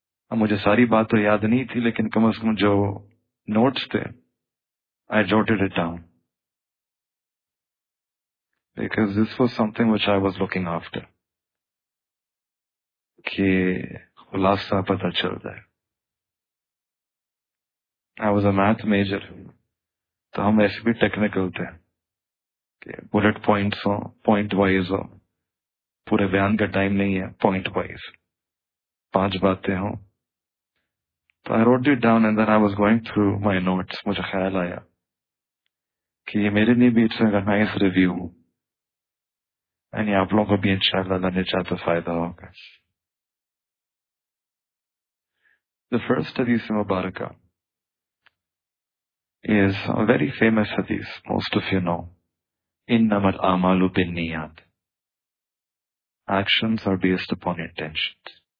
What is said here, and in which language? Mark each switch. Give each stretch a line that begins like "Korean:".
Urdu: اب مجھے ساری بات تو یاد نہیں تھی, لیکن کم از کم جو نوٹس تھے
English: I جوٹڈ it down, because this was some thing which I was looking after
Urdu: کہ خلاصہ پتہ چل جائے.
English: I was a math major,
Urdu: تو ہم ایسے بھی ٹیکنیکل تھے کہ بلٹ پوائنٹس ہوں, پوائنٹ وائز ہوں, پورے بیان کا ٹائم نہیں ہے, پوائنٹ وائز پانچ باتیں ہوں.
English: So I wrote it down and then I was going through my notes.
Urdu: مجھے خیال آیا کہ یہ میرے لیے بھی
English: it's a nice review,
Urdu: یعنی آپ لوگوں کو بھی ان شاء اللہ لینے چاہتا فائدہ ہوگا.
English: the first حدیث مبارکہ is a very famous حدیث, موسٹ آف یو نو,
Arabic: انما الاعمال بالنیات,
English: Actions are based upon intentions.